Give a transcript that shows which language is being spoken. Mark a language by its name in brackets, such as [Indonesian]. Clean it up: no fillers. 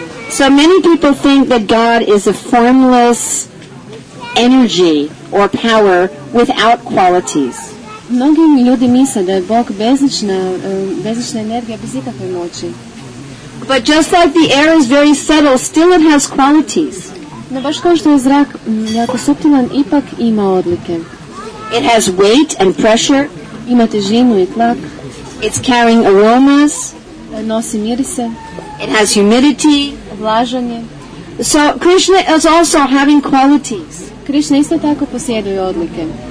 [English] So many people think that God is a formless energy or power without qualities. [Croatian] Mnogi ljudi misle da je Bog bezlična energija bez ikakve moći. [English] But just like the air is very subtle, still it has qualities. [Croatian] No baš kao što je zrak jako suptilan, ipak ima odlike. [English] It has weight and pressure. [Croatian] Ima težinu I tlak. [English] It's carrying aromas. [Croatian] Nosi mirise. [English] It has humidity. [Croatian] Vlažanje. [English] So Krishna is also having qualities. [Croatian] Krishna isto tako posjeduje odlike.